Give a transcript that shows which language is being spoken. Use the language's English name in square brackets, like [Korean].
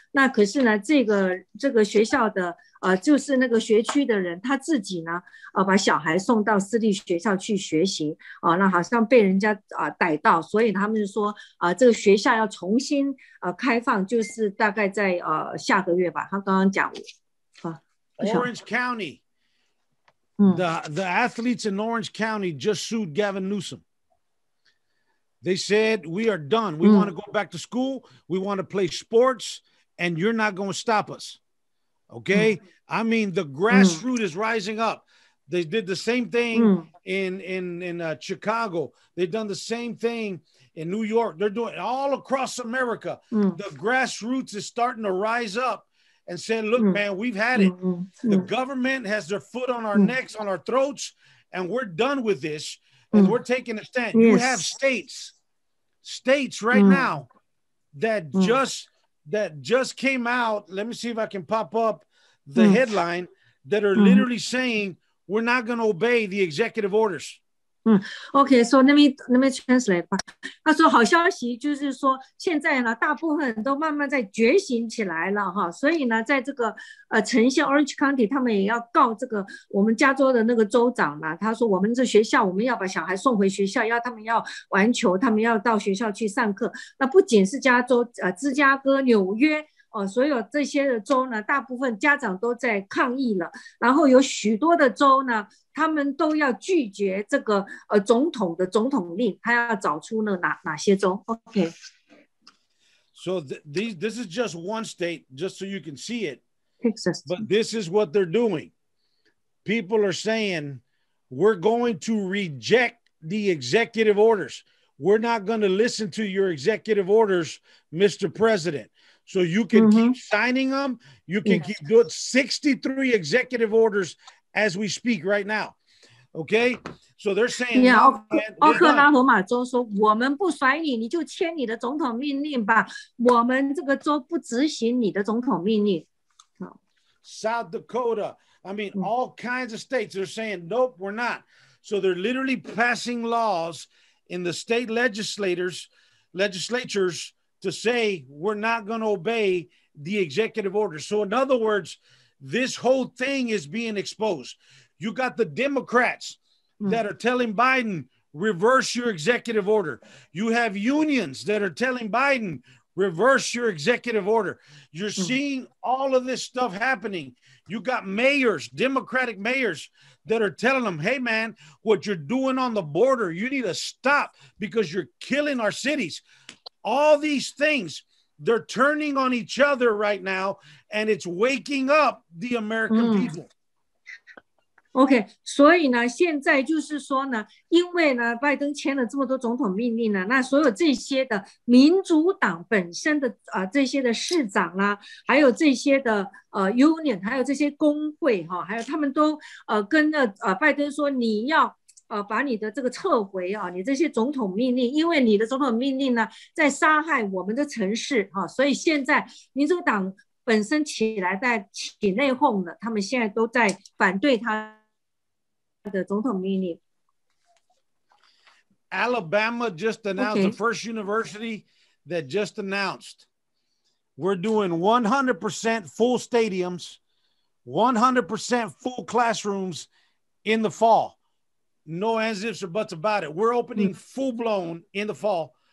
[Chinese] 那可是呢，这个学校的就是那个学区的人他自己呢，把小孩送到私立学校去学习，那好像被人家逮到，所以他们就说这个学校要重新开放，就是大概在下个月吧。他刚刚讲我， [English] Orange County。 The athletes in Orange County just sued Gavin Newsom. They said, we are done. We want to go back to school. We want to play sports. And you're not going to stop us. Okay? I mean, the grassroots is rising up. They did the same thing in Chicago. They've done the same thing in New York. They're doing it all across America. The grassroots is starting to rise up. And said, look, man, we've had it. The government has their foot on our necks, on our throats, and we're done with this, and we're taking a stand. Yes. You have states right now that just came out. Let me see if I can pop up the headline that are literally saying, we're not going to obey the executive orders. Okay, so let me translate. [Chinese] 他说好消息就是说现在呢大部分都慢慢在觉醒起来了哈，所以呢在这个呈现 Orange County 他们也要告这个我们加州的那个州长嘛，他说我们这学校我们要把小孩送回学校，要他们要玩球，他们要到学校去上课。那不仅是加州，芝加哥、纽约所有这些的州呢，大部分家长都在抗议了，然后有许多的州呢，他们都要拒绝这个总统的总统令，他要找出了哪些州。 [English] OK。 So this is just one state, just so you can see it. Texas. But this is what they're doing. People are saying, we're going to reject the executive orders. We're not going to listen to your executive orders, Mr. President. So you can keep signing them. You can keep doing 63 executive orders as we speak right now. Okay. So they're saying. Yeah. [Chinese] 奥克拉荷马州说我们不甩你，你就签你的总统命令吧。我们这个州不执行你的总统命令。 [English] South Dakota. I mean, all kinds of states are saying, nope, we're not. So they're literally passing laws in the state legislatures. To say we're not going to obey the executive order. So in other words, this whole thing is being exposed. You got the Democrats that are telling Biden, reverse your executive order. You have unions that are telling Biden, reverse your executive order. You're seeing all of this stuff happening. You got mayors, Democratic mayors, that are telling them, hey, man, what you're doing on the border, you need to stop because you're killing our cities. All these things, they're turning on each other right now, and it's waking up the American people. [Chinese] OK, 所以呢，现在就是说呢，因为呢，拜登签了这么多总统命令呢，那所有这些的民主党本身的这些的市长啦，还有这些的union, 还有这些工会哈，还有他们都跟着拜登说你要。把你的这个撤回啊，你这些总统命令，因为你的总统命令呢，在杀害我们的城市啊，所以现在民主党本身起来在起内讧了，他们现在都在反对他的总统命令。 [English] Alabama just announced the first university that just announced we're doing 100% full stadiums, 100% full classrooms in the fall. No ands, ifs, or buts about it. We're opening full-blown in the fall.